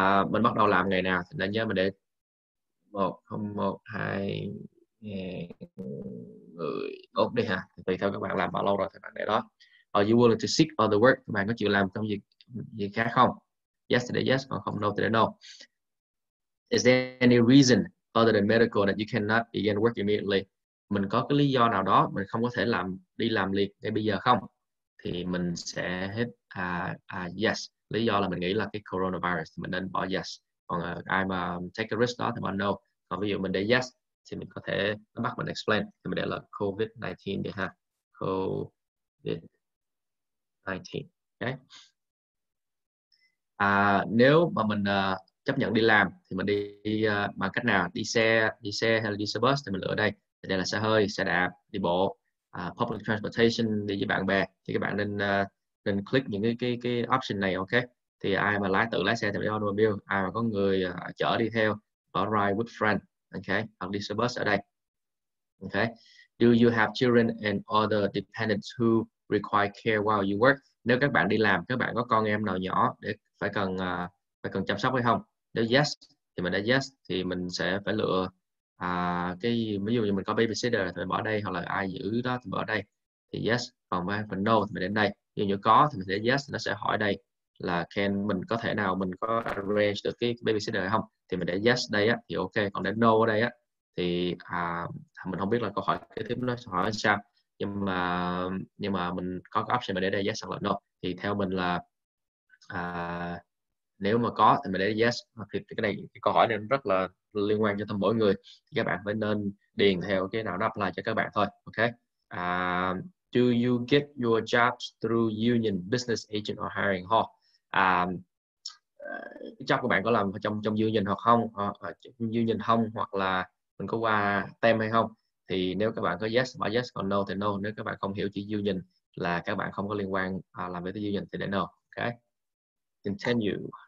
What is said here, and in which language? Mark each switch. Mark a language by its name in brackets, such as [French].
[Vietnamese] Mình bắt đầu làm ngày nào thì nên nhớ mình để 1, 0, 1, 2 người tốt đi ha. Tùy theo các bạn làm bao lâu rồi thì bạn để đó. [English] Are you willing to seek other work? [Vietnamese] Các bạn có chịu làm công việc gì khác không? Yes thì để yes, còn không no thì để no. [English] Is there any reason other than medical that you cannot begin work immediately? [Vietnamese] Mình có cái lý do nào đó mình không có thể làm đi làm liền ngay bây giờ không? Thì mình sẽ hết yes. Lý do là mình nghĩ là cái coronavirus mình nên bỏ yes. Còn ai mà [English] take a risk [Vietnamese] đó thì bỏ no. Còn ví dụ mình để yes thì mình có thể nó bắt mình explain. Thì mình để là COVID-19 đi ha. COVID-19. Okay. Nếu mà mình chấp nhận đi làm thì mình đi bằng cách nào? Đi xe hay là đi xe bus thì mình lựa đây. Đây là xe hơi, xe đạp, đi bộ, public transportation, đi với bạn bè. Thì các bạn nên nên click những cái option này, ok? Thì ai mà lái tự lái xe thì đi automobile, ai mà có người chở đi theo, có ride with friend, ok? Hoặc đi xe bus ở đây, ok? [English] Do you have children and other dependents who require care while you work? [Vietnamese] Nếu các bạn đi làm, các bạn có con em nào nhỏ để phải cần chăm sóc hay không? Nếu yes, thì mình đã yes, thì mình sẽ phải lựa ví dụ như mình có babysitter thì mình bỏ đây, hoặc là ai giữ đó thì bỏ đây, thì yes. Còn với phần no thì mình đến đây. Ví dụ như có thì mình sẽ yes, nó sẽ hỏi đây là can mình có thể nào mình có arrange được cái babysitter không, thì mình để yes đây á thì ok. Còn để no ở đây á thì mình không biết là câu hỏi kế tiếp nó hỏi sao, nhưng mà mình có cái option mình để đây yes hoặc là no. Thì theo mình là nếu mà có thì mình để yes, thì cái này cái câu hỏi này rất là liên quan cho tâm mỗi người, thì các bạn phải nên điền theo cái nào nó apply cho các bạn thôi, ok. [English] Do you get your jobs through union, business agent or hiring hall? [Vietnamese] Job của bạn có làm trong union hoặc không, union không, hoặc là mình có qua tem hay không? Thì nếu các bạn có yes và yes, còn no thì no. Nếu các bạn không hiểu chữ union là các bạn không có liên quan làm việc với union thì để no, ok. Continue.